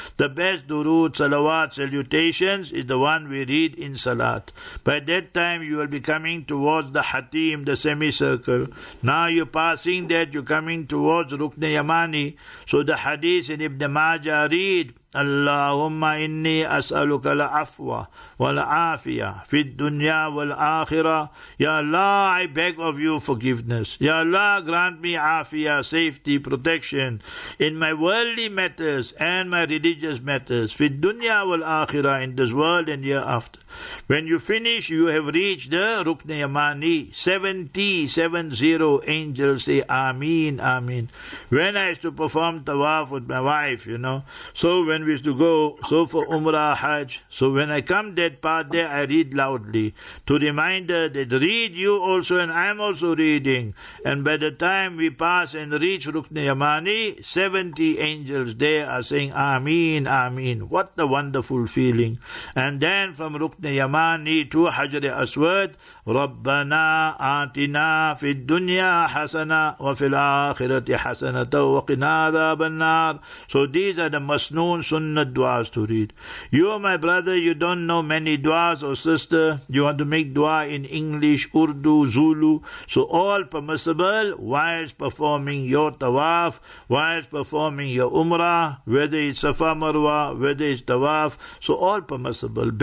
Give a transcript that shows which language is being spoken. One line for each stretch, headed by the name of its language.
English: The best Durood, salawat, salutations is the one we read in Salat. By that time you will be coming towards the Hatim, the semicircle. Now you're passing that, you're coming towards Rukne Yamani. So the hadith in Ibn Majah read,
Arabic: اللهم إني أسألك العفو والعافية في الدنيا والآخرة. يا الله,
English: I beg of you forgiveness. يا الله, grant me عافية, safety, protection in my worldly matters and my religious matters,
Arabic: في الدنيا والآخرة,
English: in this world and hereafter. When you finish, you have reached the Rukne Yamani. 70 angels say Ameen, Ameen. When I used to perform Tawaf with my wife, you know, so when we used to go, so for Umrah, Hajj, so when I come that part there, I read loudly to remind her that read you also and I'm also reading. And by the time we pass and reach Rukne Yamani, 70 angels there are saying Ameen, Ameen. What a wonderful feeling. And then from Rukne
Arabic: يماني تو حجر أسود ربنا آتنا في الدنيا حسنة وفي الآخرة حسنة وقنا عذاب النار.
English: So these are the
Urdu: مسنون سنت دعاس
English: to read. You, my brother, you don't know many duas, or sister, you want to make dua in English, Urdu, Zulu. So all permissible whilst performing your tawaf, whilst performing your umrah, whether it's Safa Marwa, whether it's tawaf, so all permissible.